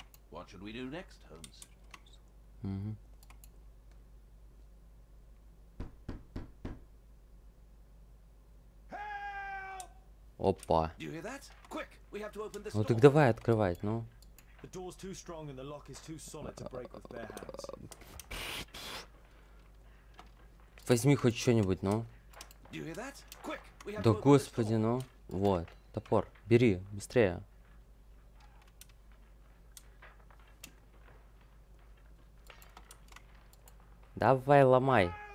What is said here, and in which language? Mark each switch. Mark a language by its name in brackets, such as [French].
[English] What should we do next, Holmes? [Russian] Угу. [English] Help! [Russian] Опа. [English] Do you hear that? Quick, we have to open this door. [Russian] Ну так давай открывать, ну. [English] The door's too strong and the lock is too solid to break with bare hands. [Russian] Возьми хоть что-нибудь, ну. [English] Do you hear that? Quick! [Russian] Да господи, ну. Вот. Топор. Бери. Быстрее. Давай, ломай.